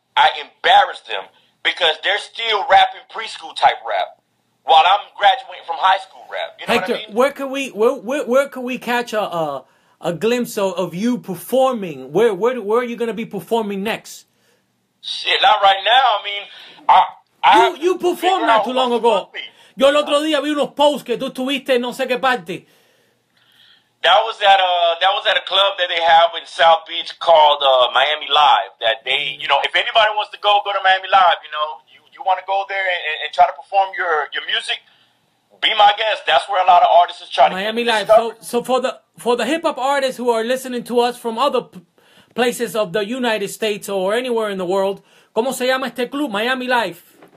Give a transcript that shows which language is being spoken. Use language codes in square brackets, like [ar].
[en] I embarrass them because they're still rapping preschool type rap while I'm graduating from high school rap. You know, Hector, what I mean? Where can we catch a glimpse of you performing? Where are you going to be performing next? Shit, not right now. I mean, You performed not too long ago. [es] Yo el otro día vi unos posts que tú tuviste en no sé qué parte. [en] That was at a club that they have in South Beach called Miami Live. That they, you know, if anybody wants to go to Miami Live, you know, you want to go there and try to perform your music, be my guest. That's where a lot of artists is trying Miami to Miami Live. So for the hip hop artists who are listening to us from other places of the United States or anywhere in the world, [es] ¿cómo se llama este club? [en] Miami Live.